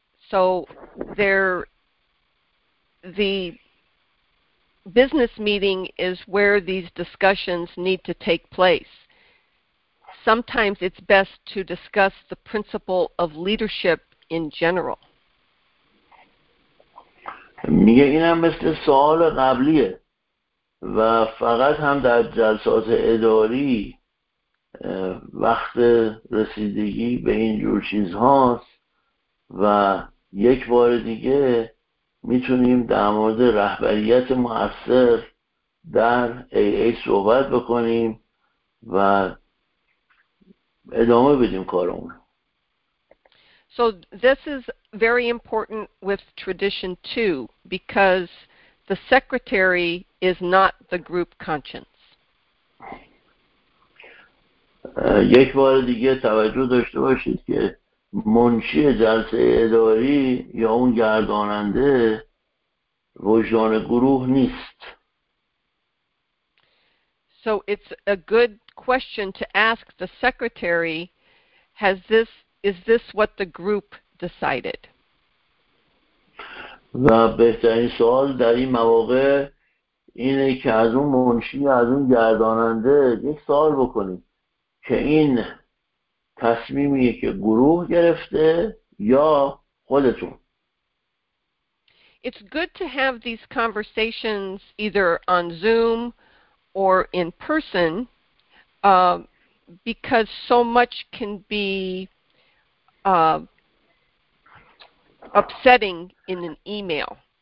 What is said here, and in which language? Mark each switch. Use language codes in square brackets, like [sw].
[en] So there, the business meeting is where these discussions need to take place. Sometimes it's best to discuss the principle of leadership in general. [fa] میگه اینم مثل سوال قبلیه و فقط هم در جلسات اداری وقت رسیدگی به این جور چیزهاست و یک بار دیگه میتونیم در مورد رهبریت مؤثر در AA صحبت بکنیم و ادامه بدیم کارمون. [en] So this is very important with tradition two because the secretary is not the group conscience. [fa] یک بار دیگه توجه داشته باشید که منشی جلسه اداری یا اون گرداننده وجدان گروه نیست. [en] So it's a good question to ask the secretary, is this what the group decided? [fa] و بهترین سوال در این مواقع اینه که از اون منشی، از اون گرداننده یک سوال بکنیم که این تصمیمیه که گروه گرفته یا خودتون. [en] It's good to have these conversations either on Zoom or in person because so much can be upsetting in an email.